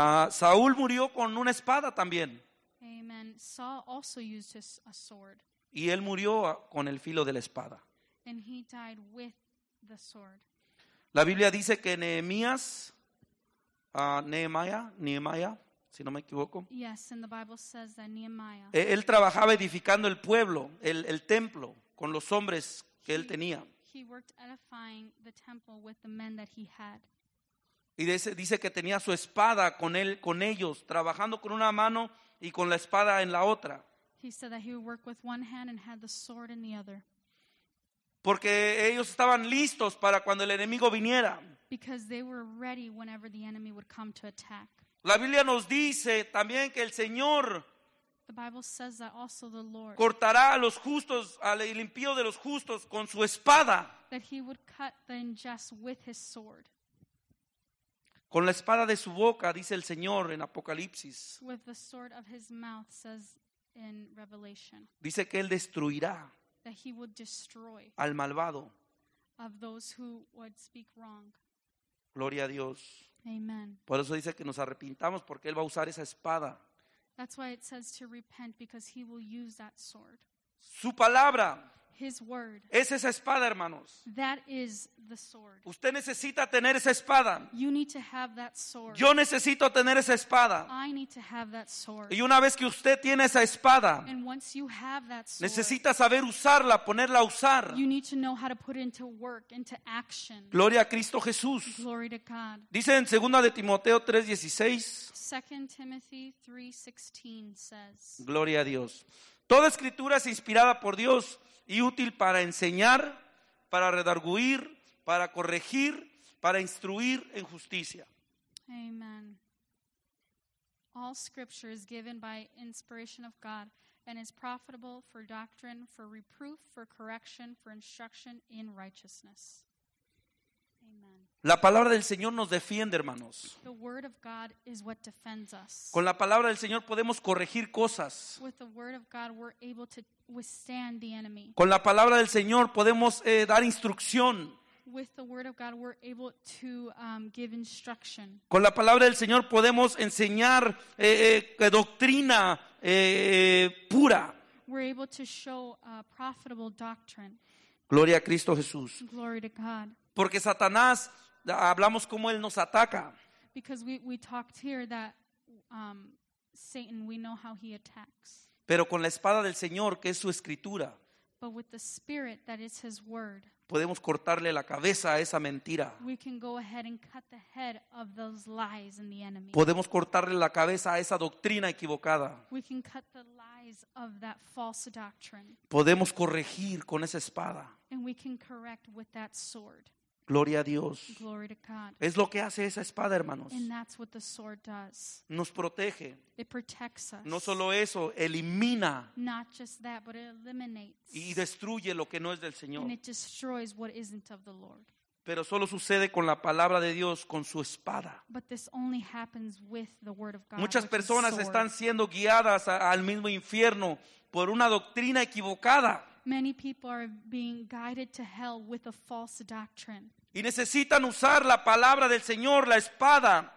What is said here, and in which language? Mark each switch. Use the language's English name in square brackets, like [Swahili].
[Spanish] Saúl murió con una espada también. [English] Amen. Saul also used his a sword. [Spanish] Y él murió con el filo de la espada. [English] And he died with the sword. [Spanish] La Biblia dice que Nehemías, Nehemiah, si no me equivoco. [English] Yes, and the Bible says that Nehemiah. [Spanish] Él trabajaba edificando el pueblo, el templo, con los hombres que él tenía. [English] He worked edifying the temple with the men that he had. [Spanish] Y dice que tenía su espada con él, con ellos, trabajando con una mano y con la espada en la otra. [English] He said that he would work with one hand and had the sword in the other. [Spanish] Porque ellos estaban listos para cuando el enemigo viniera. [English] Because they were ready whenever the enemy would come to attack. [Spanish] La Biblia nos dice también que el Señor, [English] the Bible says that also the Lord, [Spanish] cortará a los justos, al impío de los justos con su espada. [English] That he would cut the unjust with his sword. [Spanish] Con la espada de su boca, dice el Señor en Apocalipsis. [English] With the sword of his mouth, says in Revelation. [Spanish] Dice que él destruirá. [English] That he would destroy. [Spanish] Al malvado. [English] Of those who would speak wrong. [Spanish] Gloria a Dios. [English] Amen. [Spanish] Por eso dice que nos arrepintamos porque él va a usar esa espada. [English] That's why it says to repent because he will use that sword. [Spanish] Su palabra. [English] His word. [Spanish] Es esa espada, hermanos. [English] That is the sword. [Spanish] Usted necesita tener esa espada. [English] You need to have that sword. [Spanish] Yo necesito tener esa espada. [English] I need to have that sword. [Spanish] Y una vez que usted tiene esa espada, [English] and once you have that sword, [Spanish] necesita saber usarla, ponerla a usar. [English] You need to know how to put it into work, into action. [Spanish] Gloria a Cristo Jesús. [English] Glory to God. [Spanish] Dice en 2 Timoteo 3:16. [English] 2 Timothy 3:16 says. [Spanish] Gloria a Dios. Toda escritura es inspirada por Dios y útil para enseñar, para redarguir, para corregir, para instruir en justicia. [English] Amen. All scripture is given by inspiration of God and is profitable for doctrine, for reproof, for correction, for instruction in righteousness. Amen. [Spanish] La palabra del Señor nos defiende, hermanos. [English] The word of God is what defends us. [Spanish] Con la palabra del Señor podemos corregir cosas. [English] With the word of God, we're able to withstand the enemy. [Spanish] Con la palabra del Señor podemos dar instrucción. [English] With the word of God, we're able to give instruction. [Spanish] Con la palabra del Señor podemos enseñar doctrina pura. [English] We're able to show a profitable doctrine. [Spanish] Gloria a Cristo Jesús. [English] Glory to God. [Spanish] Porque Satanás, hablamos cómo él nos ataca. [English] Because we talked here that Satan, we know how he attacks. [Spanish] Pero con la espada del Señor, que es su escritura, [English] but with the spirit that is his word, [Spanish] podemos cortarle la cabeza a esa mentira. [English] We can go ahead and cut the head of those lies in the enemy. [Spanish] Podemos cortarle la cabeza a esa doctrina equivocada. [English] We can cut the lies of that false doctrine. [Spanish] Podemos corregir con esa espada. [English] And we can correct with that sword. [Spanish] Gloria a Dios. [English] Glory to God. [Spanish] Es lo que hace esa espada, hermanos. [English] And that's what the sword does. [Spanish] Nos protege. [English] It protects us. [Spanish] No solo eso, elimina. [English] Not just that, but it eliminates. [Spanish] Y destruye lo que no es del Señor. [English] And it destroys what isn't of the Lord. [Spanish] Pero solo sucede con la palabra de Dios, con su espada. [English] But this only happens with the word of God. [Spanish] Muchas personas están siendo guiadas al mismo infierno por una doctrina equivocada. [English] Many people are being guided to hell with a false doctrine. [Spanish] Y necesitan usar la palabra del Señor, la espada.